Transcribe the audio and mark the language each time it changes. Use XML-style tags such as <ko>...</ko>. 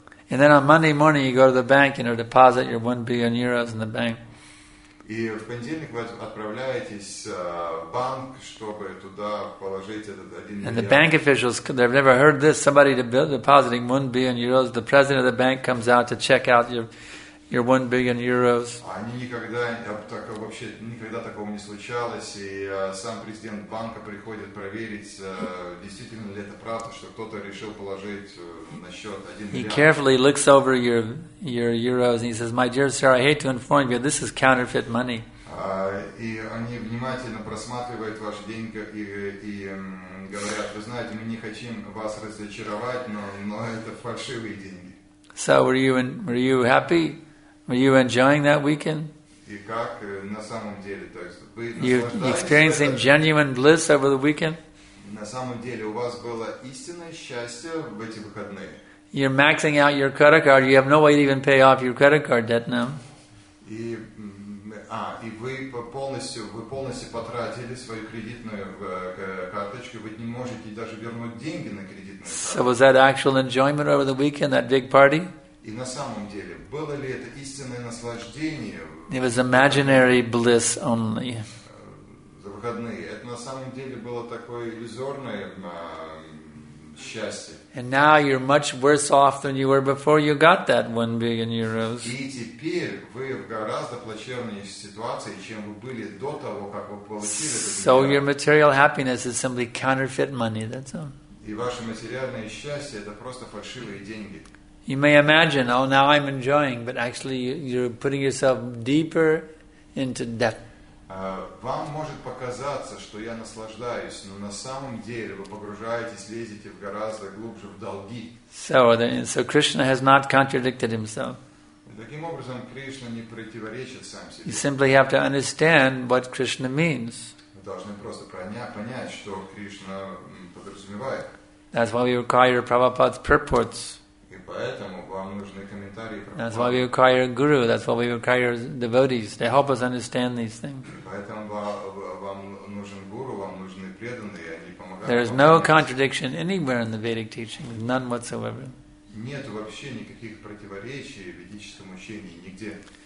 <en>And then on Monday morning you go to the bank, you know, deposit your 1 billion euros in the bank.</en> <ru>И в понедельник вы отправляетесь в банк, чтобы туда положить этот 1 миллиард.</ru> <en>And the bank officials, they've never heard this, somebody depositing 1 billion euros, the president of the bank comes out to check out your 1 billion euros.</en> <ru>Они никогда вообще никогда такого не случалось, и сам президент банка приходит проверить, действительно ли это правда, что кто-то решил положить на счет 1 миллиард.</ru> <en>He carefully looks over your euros and he says, "My dear sir, I hate to inform you, this is counterfeit money."</en> <ru>И они внимательно просматривают ваши деньги и говорят: "Вы знаете, мы не хотим вас разочаровать, но это фальшивые деньги."</ru> <en>So were you happy? Were you enjoying that weekend?</en> <ru>Как, на самом деле, то есть, вы</ru> <en>you experiencing</en> <ru>это,</ru> <en>genuine bliss over the weekend?</en> <ru>На самом деле, у вас было истинное счастье в эти выходные.</ru> <en>You're maxing out your credit card. You have no way to even pay off your credit card debt now.</en> <ru>И вы полностью потратили свою кредитную карточку. Вы не можете даже вернуть деньги на кредитную карту.</ru> <en>So was that actual enjoyment over the weekend, that big party?</en> <ru>И на самом деле, было ли это истинное наслаждение?</ru> <en>It was imaginary bliss only.</en> <ru>За выходные. Это на самом деле было такое иллюзорное счастье.</ru> <en>And now you're much worse off than you were before you got that 1 billion euros.</en> <ru>И теперь вы в гораздо плачевнее ситуации, чем вы были до того, как вы получили этот миллиард.</ru> <en>So your material happiness is simply counterfeit money, that's all.</en> <ru>И ваше материальное счастье – это просто фальшивые деньги.</ru> <en>You may imagine, oh, now I'm enjoying, but actually you're putting yourself deeper into debt.</en> <ru>Вам может показаться, что я наслаждаюсь, но на самом деле вы погружаетесь, лезете в гораздо глубже в долги.</ru> <en>So Krishna has not contradicted himself.</en> <ru>Таким образом, Кришна не противоречит сам себе.</ru> <en>You simply have to understand what Krishna means.</en> <ru>Вы должны просто понять, что Кришна подразумевает.</ru> <en>That's why we require Prabhupada's purports.</en> <ru>И поэтому вам нужны комментарии Прабхупады.</ru> <en>That's why we require Guru. That's why we require devotees. They help us understand these things.</en> <ru>Поэтому вам нужен Гуру, вам нужны преданные, они помогают.</ru> <en>There is no contradiction anywhere in the Vedic teaching, none whatsoever.</en> <ru>Нет вообще никаких противоречий в ведическом учении нигде.</ru>